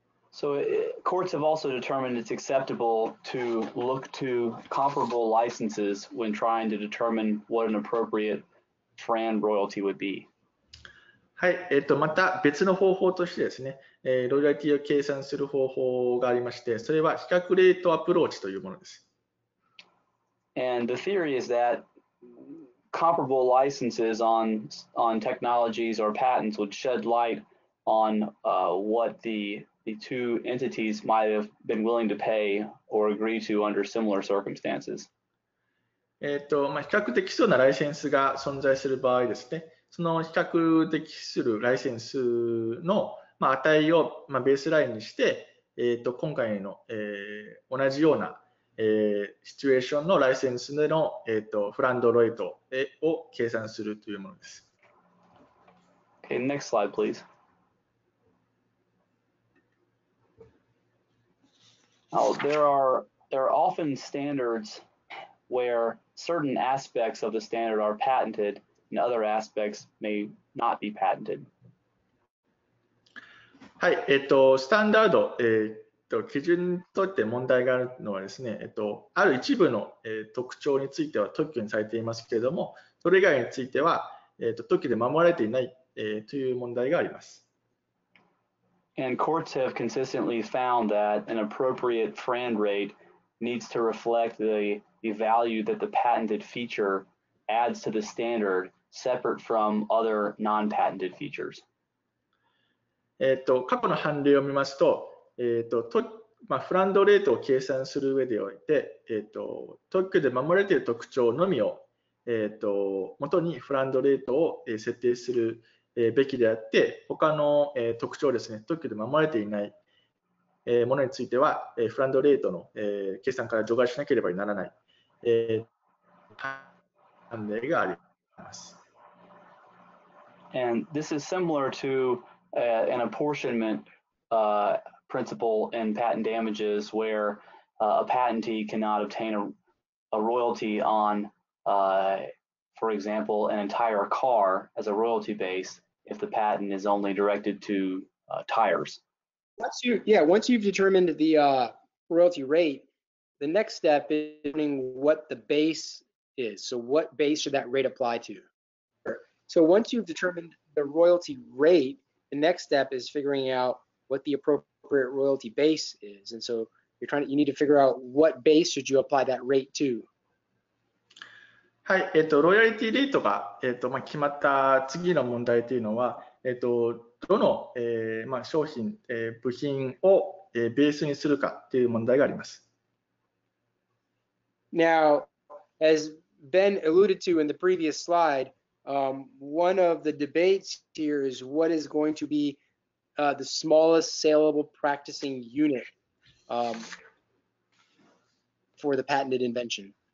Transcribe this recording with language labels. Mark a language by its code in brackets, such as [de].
[en] So, courts have also determined it's acceptable to look to comparable licenses when trying to determine what an appropriate FRAND royalty would be. [ja] はい、また別の方法としてですね、ロイヤリティを計算する方法がありまして、それは比較レートアプローチというものです。 [en] And the theory is that comparable licenses on technologies or patents would shed light on what the two entities might have been willing to pay or agree to under similar circumstances. [ja] 比較的そうなライセンスが存在する場合ですね、その比較的するライセンスの値をベースラインにして、今回の同じようなシチュエーションのライセンスでのフランドロイトを計算するというものです。 [en] Okay, next slide, please. Now, there are often standards where certain aspects of the standard are patented. Other aspects may not be patented. [ja] はい、スタンダード、基準にとって問題があるのはですね、ある一部の、特徴については特許にされていますけれども、それ以外については、特許で守られていない、という問題があります。 [en] And courts have consistently found that an appropriate friend rate needs to reflect the value that the patented feature adds to the standard. Separate from other non-patented features. [ja] 過去の判例を見ますと、フランドレートを計算する上でおいて、特許で守れている特徴のみを、元にフランドレートを設定するべきであって、他の特徴ですね、特許で守れていないものについては、フランドレートの計算から除外しなければならない判例があります。 [en] And this is similar to an apportionment principle in patent damages where a patentee cannot obtain a royalty on, for example, an entire car as a royalty base if the patent is only directed to tires. Once you've determined the royalty rate, the next step is determining what the base is. So what base should that rate apply to? So once you've determined the royalty rate, the next step is figuring out what the appropriate royalty base is. And so you need to figure out what base should you apply that rate to. [ja] はい、ロイヤリティレートが、決まった次の問題というのは、どの、商品、部品を、ベースにするかという問題があります。 [en] Now, as Ben alluded to in the previous slide,one of the debates here is what is going to be the smallest saleable practicing unit for the patented invention.